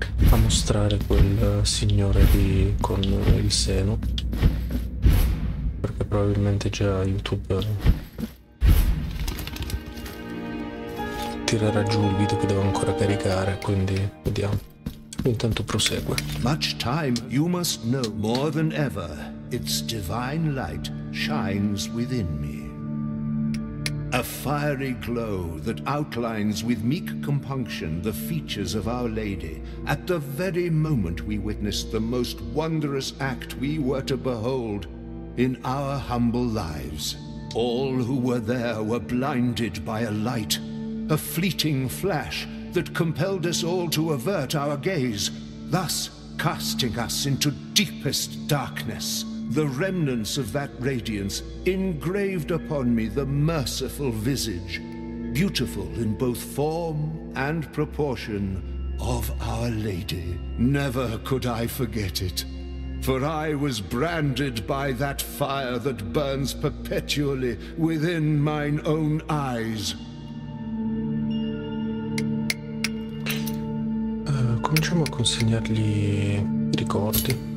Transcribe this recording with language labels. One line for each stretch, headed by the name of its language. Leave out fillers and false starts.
Italian: a mostrare quel signore lì con il seno, perché probabilmente già YouTube tirerà giù il video che devo ancora caricare, quindi vediamo. Intanto prosegue.
English: Much time you must know more than ever. Its divine light shines within me. A fiery glow that outlines with meek compunction the features of Our Lady at the very moment we witnessed the most wondrous act we were to behold in our humble lives. All who were there were blinded by a light, a fleeting flash that compelled us all to avert our gaze, thus casting us into deepest darkness. The remnants of that radiance engraved upon me the merciful visage, beautiful in both form and proportion, of Our Lady. Never could I forget it, for I was branded by that fire that burns perpetually within mine own eyes.
Italian: Cominciamo a consegnargli i ricordi.